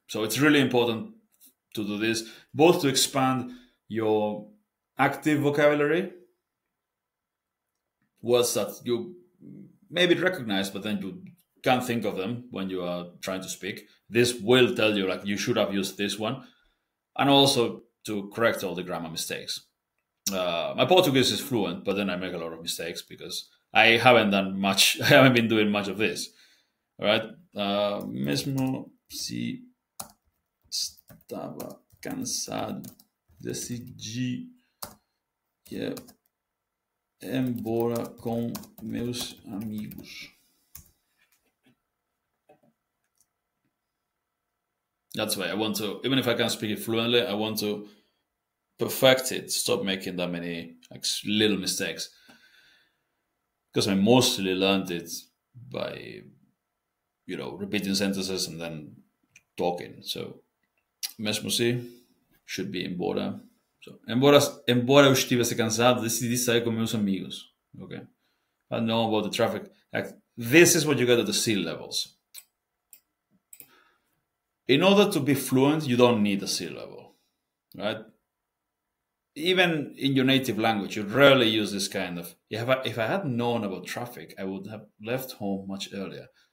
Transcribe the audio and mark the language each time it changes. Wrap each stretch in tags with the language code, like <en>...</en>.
<en>So it's really important to do this, both to expand your active vocabulary, words that you maybe recognize, but then you can't think of them when you are trying to speak. This will tell you, like, you should have used this one. And also to correct all the grammar mistakes. My Portuguese is fluent, but then I make a lot of mistakes because I haven't done much. I haven't been doing much of this. All right.</en> <pt>Mesmo se estava cansado, decidi que embora com meus amigos.</pt> <en>That's why I want to, even if I can speak it fluently, I want to perfect it, stop making that many like, little mistakes. Because I mostly learned it by, you know, repeating sentences and then talking. So,</en> <pt>mesmo assim,</pt> <en>should be embora.</en> <pt>So, embora eu estivesse cansado, decidi sair com meus amigos.</pt> <en>Okay. I know about the traffic. Like, this is what you get at the sea levels. In order to be fluent, you don't need a sea level, right? Even in your native language, you rarely use this kind of... If I had known about traffic, I would have left home much earlier.</en>